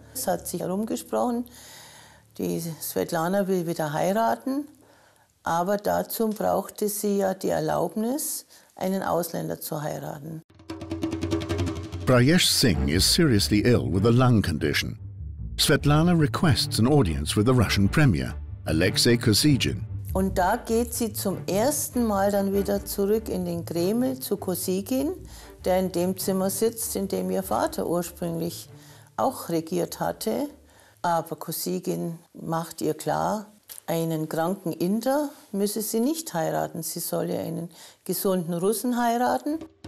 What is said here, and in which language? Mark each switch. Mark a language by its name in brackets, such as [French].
[German] Es hat sich herumgesprochen, die Svetlana will wieder heiraten. Aber dazu brauchte sie ja die Erlaubnis, einen Ausländer zu heiraten. [English] Brajesh Singh is seriously ill with a lung condition. Svetlana requests an audience with the Russian Premier, Alexei Kosygin. [German] Und da geht sie zum ersten Mal dann wieder zurück in den Kreml zu Kosygin, der in dem Zimmer sitzt, in dem ihr Vater ursprünglich auch regiert hatte. Aber Kosygin macht ihr klar, einen kranken Inder müsse sie nicht heiraten. Sie solle einen gesunden Russen heiraten.